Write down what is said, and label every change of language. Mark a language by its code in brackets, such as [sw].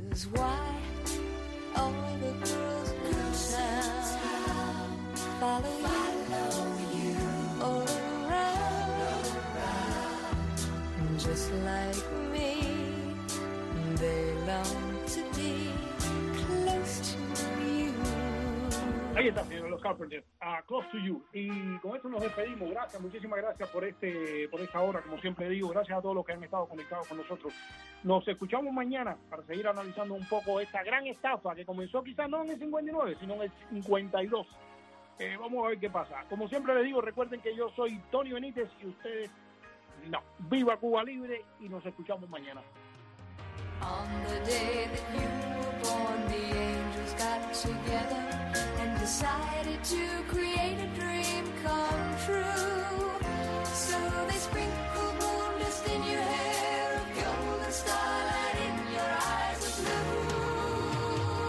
[en] Why all the girls in town follow you all around. Just like me, they long to be close to you. [es] Ahí está, señores, los Carpenters, Close to You. Y con esto nos despedimos. Gracias, muchísimas gracias por esta hora, como siempre digo. Gracias a todos los que han estado conectados con nosotros. Nos escuchamos mañana para seguir analizando un poco esta gran estafa que comenzó quizás no en el 59, sino en el 52. Vamos a ver qué pasa. Como siempre les digo, recuerden que yo soy Tony Benítez y ustedes, no. Viva Cuba Libre y nos escuchamos mañana. [en] On the day that you were born, the angels got together and decided to create a dream come true. So they sprinkled moon dust in your hair, a golden starlight in your eyes of blue.